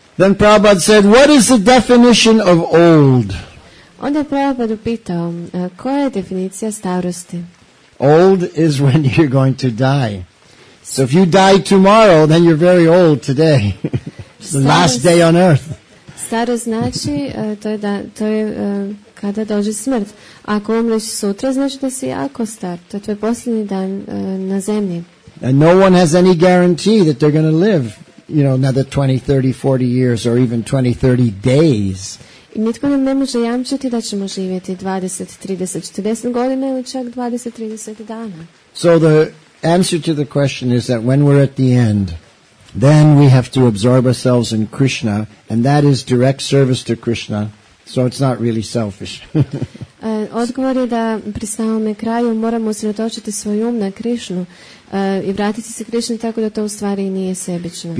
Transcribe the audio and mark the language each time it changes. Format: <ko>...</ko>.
<en>Then Prabhupada said, what is the definition of old?</en> <hr>Onda je Prabhupada upitao, koja je definicija starosti?</hr> <en>Old is when you're going to die. So if you die tomorrow, then you're very old today. It's the last day on earth.</en> <hr>starost znači, to je, da, to je kada dođe smrt. Ako umreš sutra, znači da si jako star. To je tvoj posljednji dan na zemlji.</hr> <en>And no one has any guarantee that they're going to live, you know, another 20, 30, 40 years or even 20, 30 days.</en> <hr>I nitko nam ne može jamčiti da ćemo živjeti 20, 30, 40 godina ili čak 20, 30 dana.</hr> <en>So the answer to the question is that when we're at the end, then we have to absorb ourselves in Krishna, and that is direct service to Krishna, so it's not really selfish.</en> <hr>Odgovor je da pri samome kraju moramo usredotočiti svoj um na Krišnu i vratiti se Krišni tako da to u stvari nije sebično.</hr>